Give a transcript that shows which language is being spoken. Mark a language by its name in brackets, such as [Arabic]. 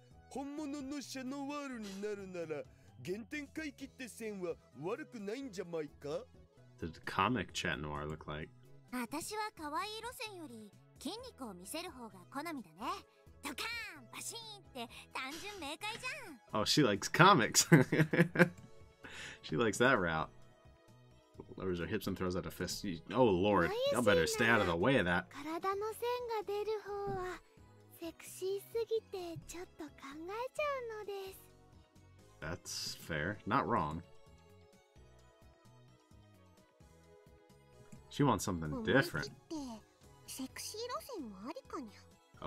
[Japanese] 本物のシャノワールになるなら原点回帰って線は悪くないんじゃないか。 [English] Did the comic chat noir look like? [Japanese] 私は可愛い路線より筋肉を見せる方が好みだね。ドカーンバシーンって単純明快じゃん。 [English] Oh, she likes comics. She likes that route. Lowers her hips and throws out a fist. Oh lord, y'all better stay out of the way of that. [Japanese] 体の線が出る方はセクシーすぎてちょっと考えちゃうのです。 [English] That's fair. Not wrong. She wants something different. [Japanese] 思い切ってセクシー路線もありかにゃ。